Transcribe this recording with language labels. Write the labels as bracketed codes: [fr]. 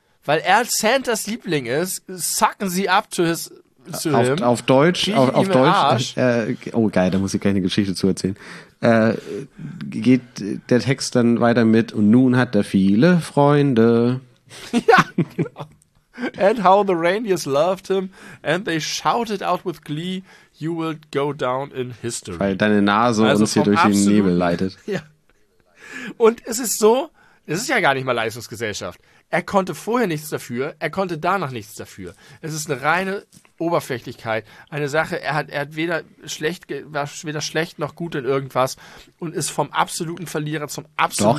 [de] Weil er Santas Liebling ist, sucken sie [en] up to his to [de] auf, [en] him. [de] Auf Deutsch, auf Deutsch. Oh geil, da muss ich keine Geschichte zu erzählen. Geht der Text dann weiter mit und nun hat er viele Freunde. Ja, genau. [en] And how the reindeers loved him and they shouted out with glee. You will go down in history. [de] Weil deine Nase uns hier durch den Nebel leitet. Ja. Und es ist so, es ist ja gar nicht mal Leistungsgesellschaft. Er konnte vorher nichts dafür, er konnte danach nichts dafür. Es ist eine reine Oberflächlichkeit. Eine Sache, er hat weder schlecht noch gut in irgendwas und ist vom absoluten Verlierer zum absoluten